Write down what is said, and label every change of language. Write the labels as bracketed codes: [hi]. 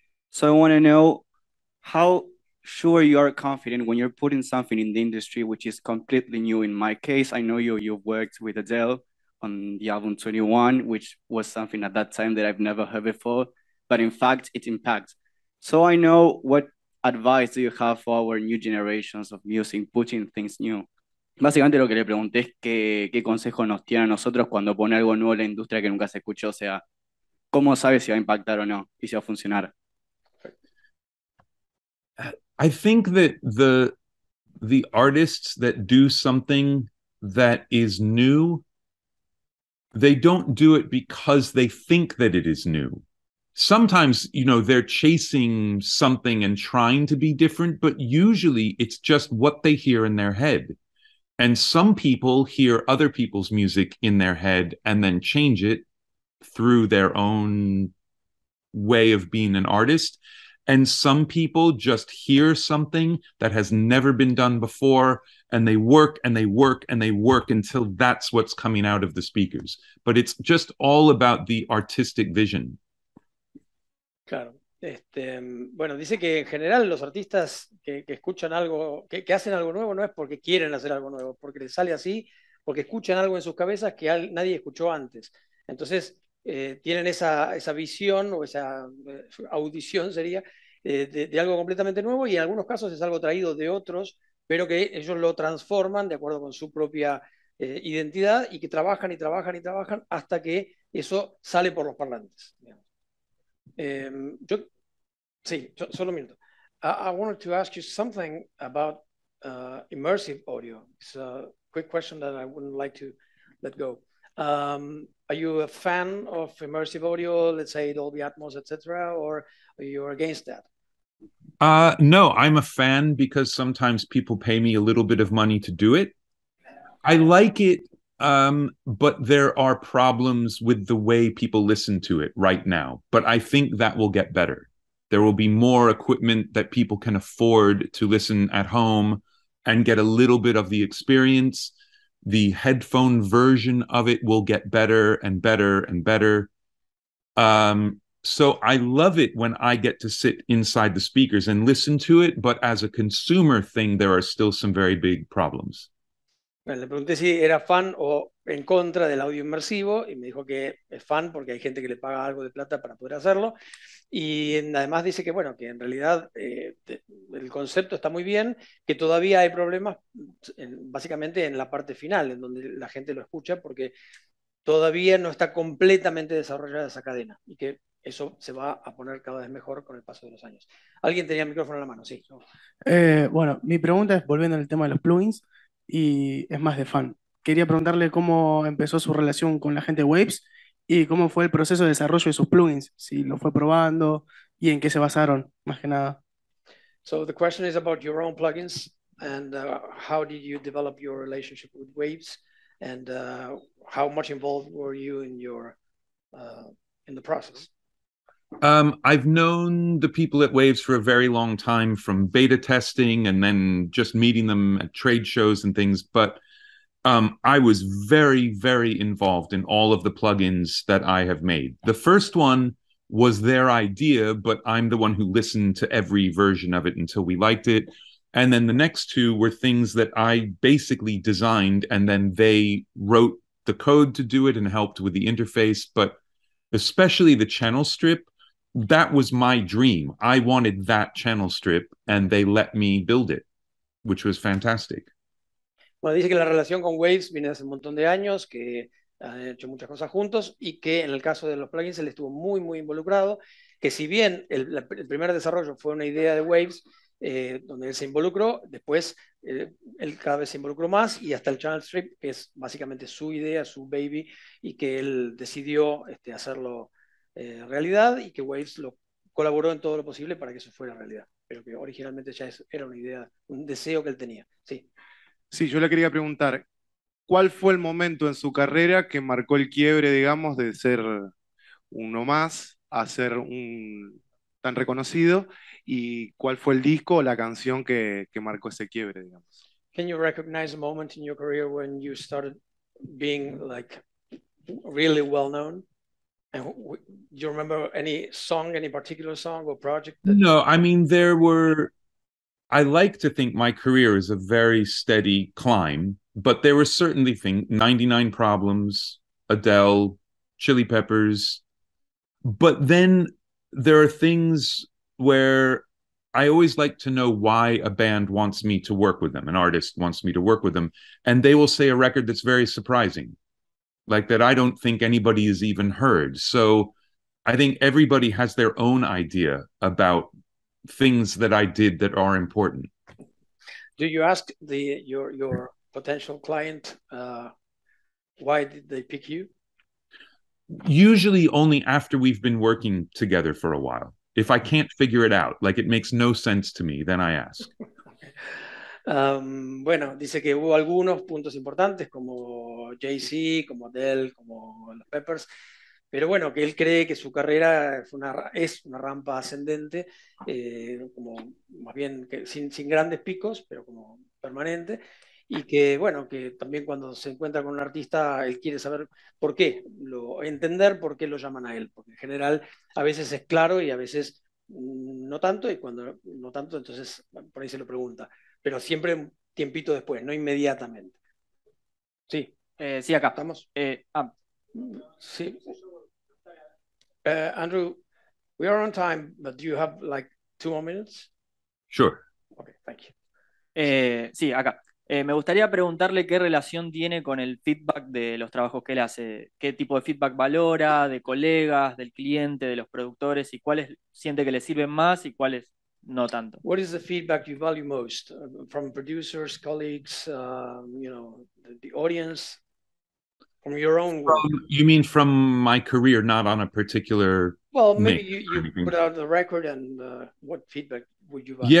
[en] So I want to know how sure you are confident when you're putting something in the industry which is completely new. In my case, I know you've worked with Adele on the album 21, which was something at that time that I've never heard before, but in fact, it impacts. So I know what advice do you have for our new generations of music, putting things new? [es] Básicamente lo que le pregunté es qué consejo nos tiene a nosotros cuando pone algo nuevo en la industria que nunca se escuchó, o sea, ¿cómo sabe si va a impactar o no y si va a funcionar? [en] I think that the artists that do something that is new, they don't do it because they think that it is new. sometimes, you know, they're chasing something and trying to be different, but usually it's just what they hear in their head. And some people hear other people's music in their head and then change it through their own way of being an artist. And some people just hear something that has never been done before, and they work and they work and they work until that's what's coming out of the speakers. But it's just all about the artistic vision. [es] Claro. Bueno, dice que en general los artistas que escuchan algo, que hacen algo nuevo, no es porque quieren hacer algo nuevo, porque les sale así, porque escuchan algo en sus cabezas que nadie escuchó antes. Entonces, tienen esa visión o esa audición, sería, de algo completamente nuevo, y en algunos casos es algo traído de otros, pero que ellos lo transforman de acuerdo con su propia identidad, y que trabajan y trabajan y trabajan hasta que eso sale por los parlantes. Solo un minuto. [en] I wanted to ask you something about immersive audio. It's a quick question that I wouldn't like to let go. Are you a fan of immersive audio, let's say Dolby Atmos, etc., or are you against that? No, I'm a fan because sometimes people pay me a little bit of money to do it. I like it, but there are problems with the way people listen to it right now. But I think that will get better. There will be more equipment that people can afford to listen at home and get a little bit of the experience. The headphone version of it will get better and better and better. So I love it when I get to sit inside the speakers and listen to it, but as a consumer thing, there are still some very big problems. [es] Le pregunté si era fan o en contra del audio inmersivo, y me dijo que es fan porque hay gente que le paga algo de plata para poder hacerlo. Y además dice que, bueno, que en realidad el concepto está muy bien, que todavía hay problemas básicamente en la parte final, en donde la gente lo escucha, porque todavía no está completamente desarrollada esa cadena, y que eso se va a poner cada vez mejor con el paso de los años. ¿Alguien tenía el micrófono en la mano? Sí. Bueno, mi pregunta es, volviendo al tema de los plugins, y es más de fan, quería preguntarle cómo empezó su relación con la gente Waves y cómo fue el proceso de desarrollo de sus plugins, si lo fue probando y en qué se basaron, más que nada. [en] So the question is about your own plugins and how did you develop your relationship with Waves and how much involved were you in your in the process? I've known the people at Waves for a very long time from beta testing and then just meeting them at trade shows and things. But I was very, very involved in all of the plugins that I have made. The first one was their idea, but I'm the one who listened to every version of it until we liked it. And then the next two were things that I basically designed, and then they wrote the code to do it and helped with the interface, but especially the channel strip. That was my dream. I wanted that channel strip and they let me build it, which was fantastic. [es] Bueno, dice que la relación con Waves viene hace un montón de años, que han hecho muchas cosas juntos y que en el caso de los plugins él estuvo muy, muy involucrado, que si bien el primer desarrollo fue una idea de Waves, donde él se involucró, después él cada vez se involucró más y hasta el channel strip, que es básicamente su idea, su baby, y que él decidió hacerlo realidad y que Waves lo colaboró en todo lo posible para que eso fuera realidad, pero que originalmente ya era una idea, un deseo que él tenía. Sí. Sí, yo le quería preguntar, ¿cuál fue el momento en su carrera que marcó el quiebre, digamos, de ser uno más a ser un tan reconocido, y cuál fue el disco o la canción que marcó ese quiebre, digamos? [en] Can you recognize a moment in your career when you started being like really well known? And do you remember any song, any particular song or project? No, I mean, I like to think my career is a very steady climb, but there were certainly things, 99 Problems, Adele, Chili Peppers. But then there are things where I always like to know why a band wants me to work with them, an artist wants me to work with them, and they will say a record that's very surprising, like that I don't think anybody has even heard. So I think everybody has their own idea about things that I did that are important. Do you ask your potential client why did they pick you? usually only after we've been working together for a while. If I can't figure it out, like it makes no sense to me, then I ask. [es] Bueno, dice que hubo algunos puntos importantes como Jay-Z, como Adele, como los Peppers, pero bueno, que él cree que su carrera es una rampa ascendente, como más bien que sin grandes picos, pero como permanente, y que bueno, que también cuando se encuentra con un artista, él quiere saber por qué, entender por qué lo llaman a él, porque en general a veces es claro y a veces no tanto, y cuando no tanto, entonces por ahí se lo pregunta. Pero siempre un tiempito después, no inmediatamente. Sí. Sí, acá. ¿Estamos? Sí. [en] Andrew, we are on time, but do you have like 2 more minutes? Sure. Okay, thank you. [es] Sí, acá. Me gustaría preguntarle qué relación tiene con el feedback de los trabajos que él hace. ¿Qué tipo de feedback valora, de colegas, del cliente, de los productores, y cuáles siente que le sirven más y cuáles... No tanto. [en] What is the feedback you value most from producers, colleagues, the audience, from your own work? You mean from my career, not on a particular... Well, maybe you put out the record and what feedback would you value?